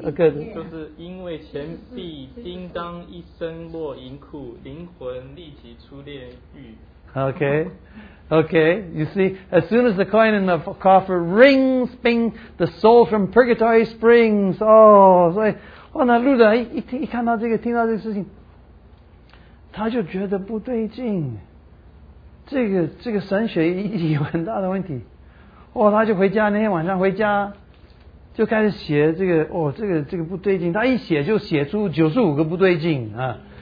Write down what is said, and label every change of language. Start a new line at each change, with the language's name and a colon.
Chinese: 就是因为钱币叮当一声落银库，灵魂立即出炼狱。
English: Okay, you see, as soon as the coin in the coffer rings, bing, the soul from purgatory springs.
Chinese: Oh, so, 哇，那路德一看到这个，听到这个事情，他就觉得不对劲。这个神学有很大的问题。哦，他就回家，那天晚上回家，就开始写这个，哦，这个不对劲。他一写就写出95个不对劲啊。